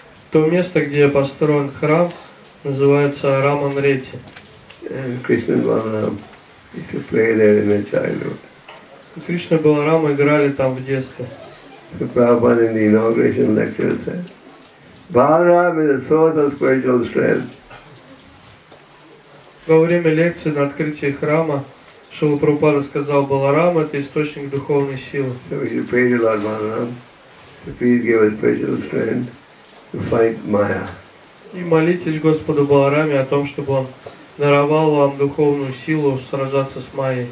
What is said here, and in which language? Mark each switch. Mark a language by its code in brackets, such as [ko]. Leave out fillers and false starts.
[ru] То место, где построен храм, называется Раман Рети. И Кришна Баларама играли там в детстве. [en] The Prabhupada in the inauguration lecture said, Balaram is the source of spiritual strength. [ru] Во время лекции на открытии храма Шрила Прабхупада сказал, Баларам это источник духовной силы. [en] So we should pray to Lord Balaram to please give us spiritual strength to fight Maya. [ru] И молитесь Господу Балараме о том, чтобы он даровал вам духовную силу сражаться с Майей.